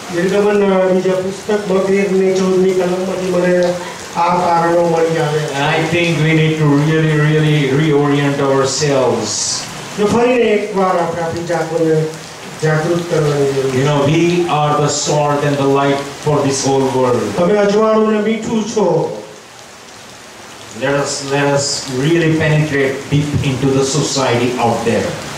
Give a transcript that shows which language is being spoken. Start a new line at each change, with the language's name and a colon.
Gujarati: નિર્ગમન બીજા પુસ્તક 13:14 કલમમાંથી મને આ કારણો મળી આવે.
English: I think we need to really, really reorient ourselves.
Gujarati: જો ફરીને એકવાર આપણે આપણી જાતને જાગૃત કરવાની જરૂર છે.
English: We are the salt and the light for this whole world.
Gujarati: તમે અજવાળું અને મીઠું છો.
English: Let us really penetrate deep into the society out there.